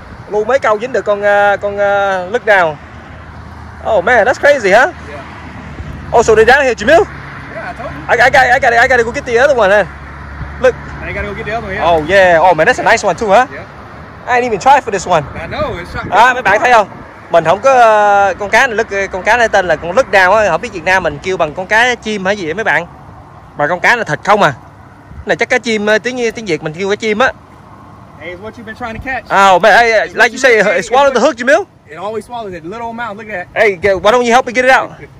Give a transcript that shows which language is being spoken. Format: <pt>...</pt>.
<vi>Lu mấy câu dính được con look down.</vi> <en>Oh man, that's crazy, huh? Yeah. Oh, so they're down here, Jamil? Yeah, I told you. I gotta go get the other one, then. Look. I gotta go get the other one, yeah. Oh yeah, oh man, that's a nice one too, huh? Yeah. I didn't even try for this one. I know, it's shot.</en> <vi>À, mấy bạn thấy không? Mình không có con cá này, con cá này tên là con lứt đào á, không biết Việt Nam mình kêu bằng con cá chim hay gì vậy mấy bạn. Mà con cá là thịt không à. Này chắc cá chim tiếng Việt mình kêu cá chim á.</vi> <en>Hey, what you been trying to catch? Oh, man, hey, like you say, it swallowed the hook, Jamil. It always swallows it, little amount, look at that. Hey, why don't you help me get it out?</en>